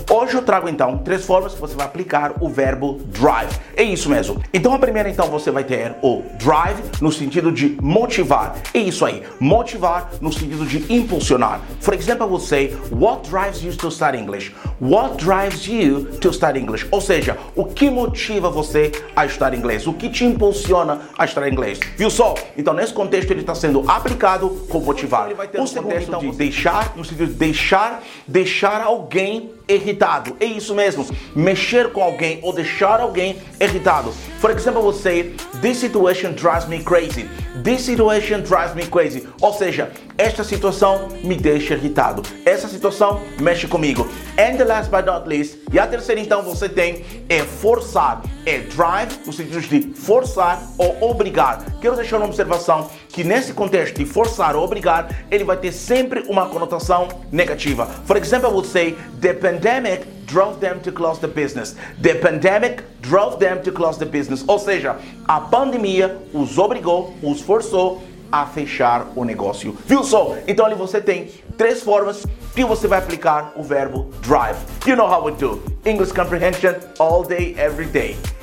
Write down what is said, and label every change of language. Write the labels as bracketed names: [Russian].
[Portuguese] Hoje eu trago, então, três formas que você vai aplicar o verbo drive. É isso mesmo. Então, a primeira, então, você vai ter o drive no sentido de motivar. É isso aí. Motivar no sentido de impulsionar. [English] For example, I would say, what drives you to study English? What drives you to study English? [Portuguese] Ou seja, o que motiva você a estudar inglês? O que te impulsiona a estudar inglês? Viu só? Então, nesse contexto, ele está sendo aplicado com motivar. O segundo, então, de deixar, no sentido de deixar alguém irritado. É isso mesmo. Mexer com alguém ou deixar alguém irritado. [English] For example, você, this situation drives me crazy. This situation drives me crazy. [Portuguese] Ou seja, esta situação me deixa irritado. Essa situação mexe comigo. [English] And the last but not least, [Portuguese] e a terceira então você tem, é forçar. É drive, no sentido de forçar ou obrigar. Quero deixar uma observação que nesse contexto de forçar ou obrigar, ele vai ter sempre uma conotação negativa. [English] For example, I would say, the pandemic drove them to close the business. The pandemic drove them to close the business. [Portuguese] Ou seja, a pandemia os obrigou, os forçou a fechar o negócio. Viu só? Então ali você tem três formas que você vai aplicar o verbo drive. [English] You know how we do. English comprehension all day, every day.